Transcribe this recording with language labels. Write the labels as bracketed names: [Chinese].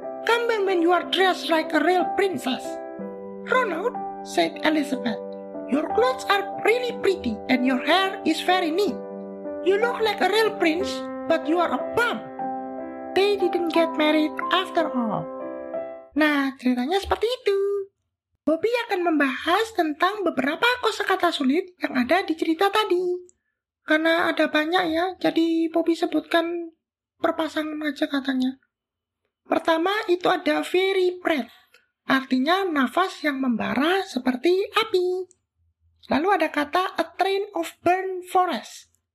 [English] Come in when you are dressed like a real princess." "Ronald," said Elizabeth, "your clothes are really pretty and your hair is very neat. You look like a real prince, but you are a bum." They didn't get married after all. [Indonesian] Nah, ceritanya seperti itu. Bobby akan membahas tentang beberapa kosakata sulit yang ada di cerita tadi. Karena ada banyak ya, jadi Bobby sebutkan perpasangan aja katanya. Pertama itu ada [English] fiery breath, [Indonesian] artinya nafas yang membara seperti api. Lalu ada kata [English] a train of burned forest.